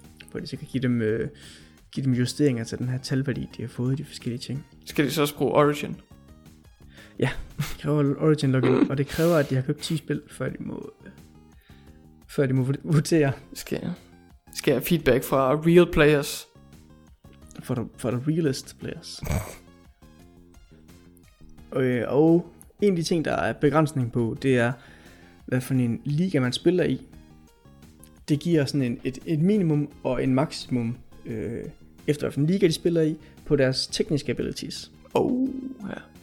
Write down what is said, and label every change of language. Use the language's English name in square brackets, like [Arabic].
[Danish] Hvor de så kan give dem justeringer til den her talværdi, de har fået i de forskellige ting. Skal de så også bruge Origin? Ja, det kræver Origin login, og det kræver, at de har købt 10 spil, før de må vurdere. Skal jeg feedback fra [English] real players? For the realest players. [Danish] Og en af de ting, der er begrænsning på, det er, hvad for en liga man spiller i. Det giver sådan et minimum og en maksimum, efter hvad for en liga de spiller i, på deres tekniske abilities. Oh, ja.